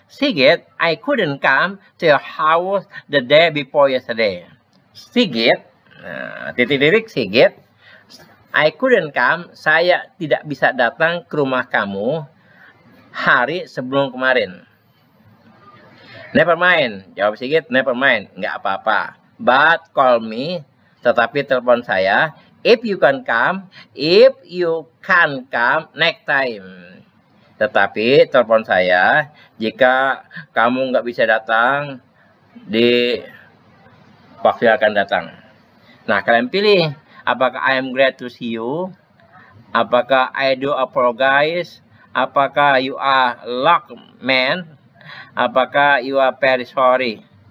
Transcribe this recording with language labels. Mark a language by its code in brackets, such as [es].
[en] Sigit, I couldn't come to your house the day before yesterday. [id] Sigit, titik-titik Sigit. [en] I couldn't come, [id] saya tidak bisa datang ke rumah kamu hari sebelum kemarin. [en] Never mind, [id] jawab Sigit, [en] never mind, [id] nggak apa-apa. [en] But call me, [id] tetapi telepon saya, [en] if you can come next time. [id] Tetapi telepon saya, jika kamu nggak bisa datang di waktu yang akan datang. Nah, kalian pilih, apakah [en] I am glad to see you, [id] apakah [en] I do apologize, [id] apakah [en] you are luck man, [id] apakah [en] you are very sorry.